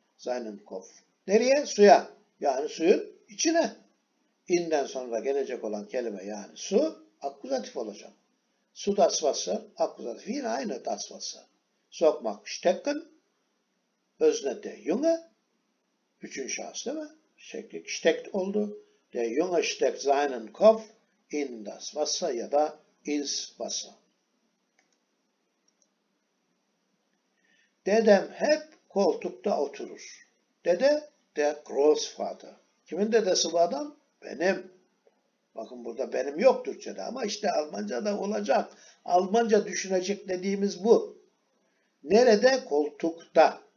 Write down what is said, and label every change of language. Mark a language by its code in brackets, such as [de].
[de] Seinen Kopf. [tr] Nereye? Suya. Yani suyun içine. İn'den sonra gelecek olan kelime, yani su, akkuzatif olacak. Su das Wasser, akkuzatif yine aynı das Wasser. Sokmak stecken, özne de Junge, üçüncü şahıs değil mi? Şekli steckt oldu. [de] Der Junge steckt seinen Kopf in das Wasser ya da ins Wasser. [tr] Dedem hep koltukta oturur. Dede, der Großvater. Kimin dedesi bu adam? Benim. Bakın burada benim yok Türkçe'de ama işte Almanca'da olacak. Almanca düşünecek dediğimiz bu. Nerede? Koltukta.